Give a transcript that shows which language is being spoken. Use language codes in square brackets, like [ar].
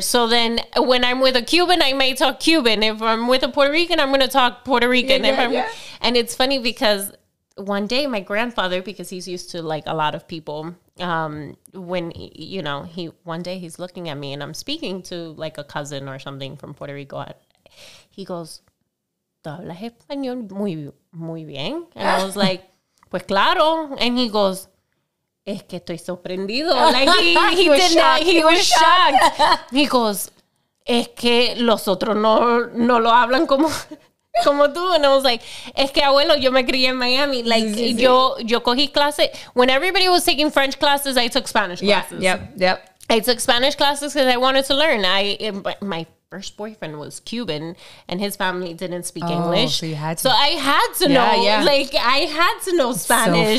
[en] So then when I'm with a Cuban, I might talk Cuban. If I'm with a Puerto Rican, I'm going to talk Puerto Rican. And it's funny because one day my grandfather, because he's used to like a lot of people, one day he's looking at me and I'm speaking to like a cousin or something from Puerto Rico. [es] He goes, ¿Tú hablas español muy, muy bien? [en] And I was like, [es] pues claro. [en] And he goes, [es] es que estoy sorprendido. [en] Like he was shocked. He goes, [es] es que los otros no lo hablan como tú. [en] And I was like, [es] es que abuelo, yo me crié en Miami. [en] Like [es] yo cogí clases. [en] When everybody was taking French classes, I took Spanish classes. Yeah, yep. I took Spanish classes because I wanted to learn. My first boyfriend was Cuban and his family didn't speak English. So you had to. So I had to know. Yeah. Like I had to know Spanish.